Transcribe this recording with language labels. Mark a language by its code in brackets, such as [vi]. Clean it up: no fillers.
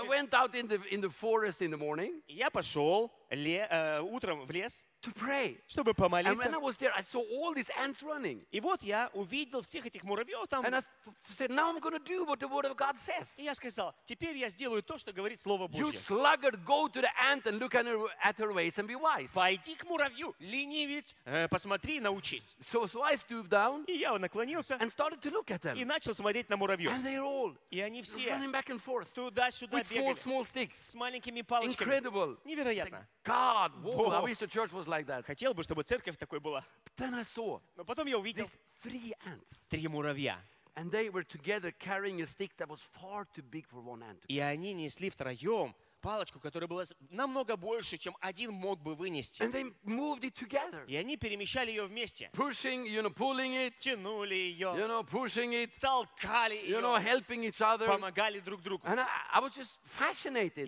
[en] So I went out in the forest in the morning. [ru] Я пошел утром в лес. [en] To pray. [ru] Чтобы помолиться. [en] And when I was there, I saw all these ants running. [ru] И вот я увидел всех этих муравьев там. [en] And I said, now I'm going to do what the word of God says. [ru] И я сказал, теперь я сделаю то, что говорит слово Божье. [en] You sluggard, go to the ant and look at her ways and be wise. [ru] Пойди к муравью, ленивец, посмотри и научись. [en] So I stooped down. [ru] И я наклонился. [en] And started to look at them. [ru] И начал смотреть на муравьев. [en] And they're all. [ru] И они все. [en] Running back and forth. [ru] Туда-сюда бегали. [en] With small sticks. [ru] С маленькими палочками. [en] Incredible. [ru] Невероятно. [en] God, whoa, I wish the church was like that. [ru] Хотел бы, чтобы церковь такой была. [en] But then I saw. [ru] Но потом я увидел. [en] Three ants. [ru] Три муравья. [en] And they were together carrying a stick that was far too big for one ant. [ru] И они несли втроем палочку, которая была намного больше, чем один мог бы вынести. [en] And they moved it together. [ru] И они перемещали ее вместе. [en] Pushing, you know, pulling it. [ru] Тянули ее. [en] You know, pushing it. [ru] Толкали ее. [en] You know, helping each other. [ru] Помогали друг другу. [en] And I was just fascinated.